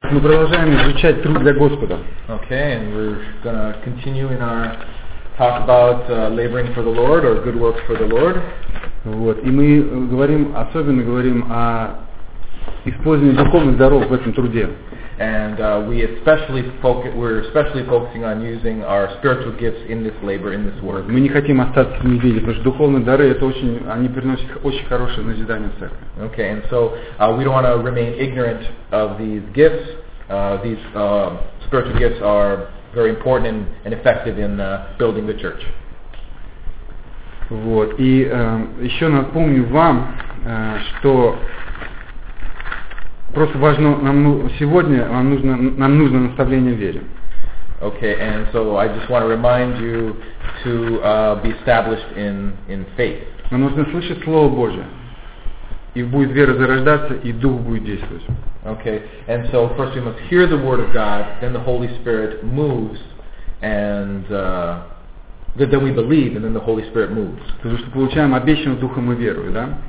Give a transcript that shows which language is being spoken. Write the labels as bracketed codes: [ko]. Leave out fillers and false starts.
[ru] Мы продолжаем изучать труд для Господа. [en] Okay, and we're going to continue in our talk about laboring for the Lord or good works for the Lord. [ru] Вот, и мы говорим, особенно говорим о использовании духовных даров в этом труде. [en] And we're especially focusing on using our spiritual gifts in this labor, in this work. [ru] Мы не хотим остаться в неведении, потому что духовные дары это очень, они приносят очень хорошее назидание в церкви. [en] Okay, and so we don't want to remain ignorant of these gifts. These spiritual gifts are very important and effective in building the church. [ru] Вот, и еще напомню вам, что просто важно нам сегодня нам нужно наставление в вере. [en] Okay, and so I just want to remind you to be established in faith. [ru] Нам нужно слышать Слово Божие. И будет вера зарождаться, и Дух будет действовать. [en] Okay, and so first we must hear the Word of God, then the Holy Spirit moves, and then we believe, and then the Holy Spirit moves. [ru] Потому что получаем обещание Духом и верой, да?